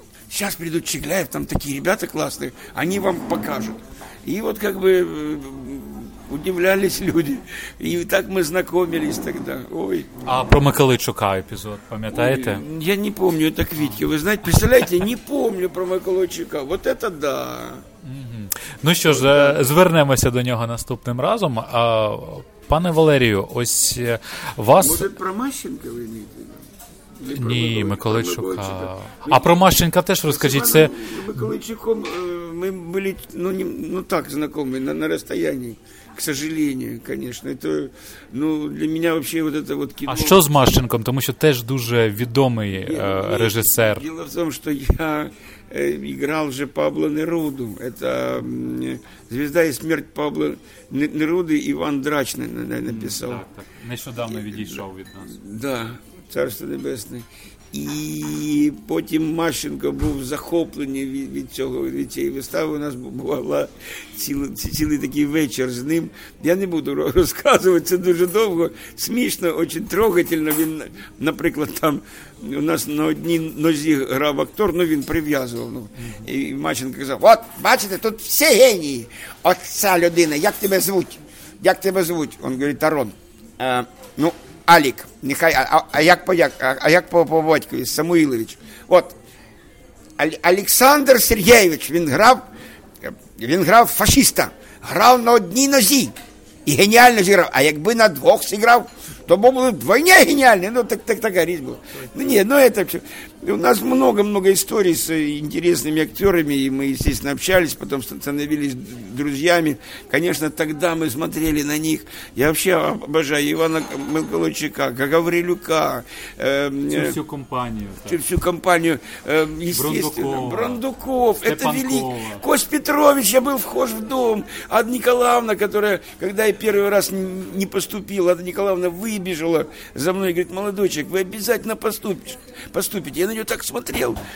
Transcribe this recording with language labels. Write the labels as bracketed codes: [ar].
[ru] Сейчас придут Чигляев, там такие ребята классные, они вам покажут. И вот как бы удивлялись люди. И так мы знакомились тогда. Ой. А про Миколайчука эпизод, помните? Я не помню, это к Витьке. Вы знаете, представляете, не помню про Миколайчука. Вот это да. [uk] Ну що ж, звернемося до нього наступним разом. А, пане Валерію, ось вас... Може, про Мащенка ви мійте? Ні, Миколайчука. А про Мащенка теж розкажіть. Це... Миколайчуком ми були, ну, не, ну так, знайомі, на розстоянні, [ru] к сожалению, конечно. [uk] Это, ну, для мене взагалі вот це вот кіно... А що з Мащенком? Тому що теж дуже відомий режисер. Діло в тому, що я... [ru] играл же [uk] Пабло Неруду. [ru] Это «Звезда и смерть» Пабло Неруды Иван Драч написал. [uk] Так. Нещодавно відійшов від нас. [ru] Да, Царство Небесное. [uk] І потім Мащенко був захоплений від цього, від цієї вистави. У нас була цілий такий вечір з ним. Я не буду розказувати, це дуже довго. Смішно, дуже трогательно. Він, наприклад, там у нас на одній нозі грав актор, ну він прив'язував. Ну. І Мащенко казав: «От, бачите, тут всі генії. От ця людина, як тебе звуть? Як тебе звуть?» Він говорить: «Тарон, ну, Алік, нехай, а як по батькові, Самуїлович. От, Олександр Сергійович, він грав фашиста, грав на одній нозі і геніально зіграв. А якби на двох зіграв, то був би двойня геніальний». Ну, така річ була. Ну, ні, ну, [ru] это все. [uk] У нас много-много історій з інтересними актерами, і ми, звісно, общались, потім становились друзьями. [ru] Конечно, тогда ми смотрели на них. Я вообще обожаю Ивана Миколайчука, Гаврилюка. Всю компанию. Всю компанию. Естественно. Брандуков. Это велик. Кость Петрович, я был вхож в дом. Ада Николаевна, которая, когда я первый раз не поступил, Ада Николаевна выбежала за мной и говорит: «Молодой человек, вы обязательно поступите. Я на нее так смотрел.